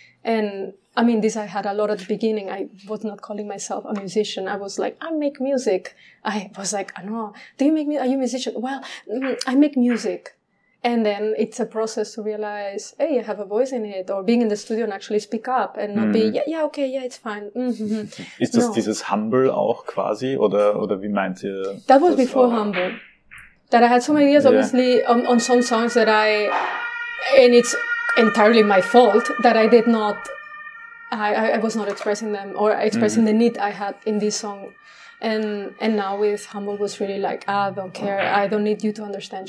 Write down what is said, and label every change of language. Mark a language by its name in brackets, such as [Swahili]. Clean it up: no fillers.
[English] And I mean, this I had a lot at the beginning. I was not calling myself a musician. I was like, I make music. I was like, I know. Do you make music? Are you a musician? Well, I make music. And then it's a process to realize, hey, I have a voice in it, or being in the studio and actually speak up and not be, it's fine. Mm-hmm. [German] Ist das dieses Humble auch quasi, oder wie meint ihr? [English] That was before [German] auch? [English] Humble. That I had some ideas, obviously, on some songs that I, and it's entirely my fault that I did not, I was not expressing them or expressing the need I had in this song. And now with Humble was really like, I don't care. I don't need you to understand.